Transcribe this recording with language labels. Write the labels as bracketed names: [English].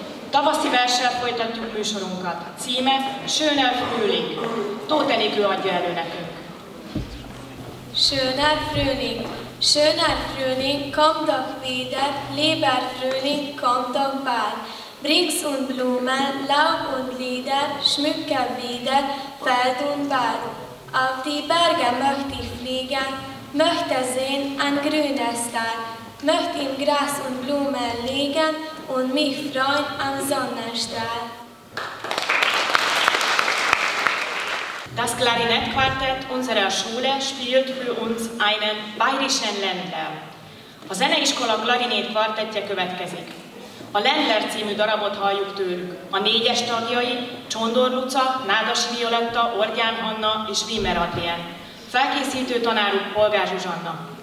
[Hungarian] Tavaszi verssel folytatjuk műsorunkat. A címe Schöner Frühling. Tóth Enikő adja elő nekünk. [German] Schöner Frühling. Schöner Frühling, kommt doch wieder, lieber Frühling, kommt doch bald. Bringt uns Blumen, Laub und Lieder, schmücke wieder, Feld und Wald. Auf die Berge möchte ich fliegen, möchte sehen ein grünes Tal, möchte im Gras und Blumen liegen und mich freuen am Sonnenstrahl. Das Klarinettquartett unserer Schule spielt für uns einen bayerischen Ländler. [Hungarian] A Zeneiskola Klarinettquartettje következik. A Ländler című darabot halljuk tőlük. A négyes tagjai Csondor Luca, Nádas Violetta, Orgyán Anna és Wimmer Adrien. Felkészítő tanáruk Polgár Zsuzsanna.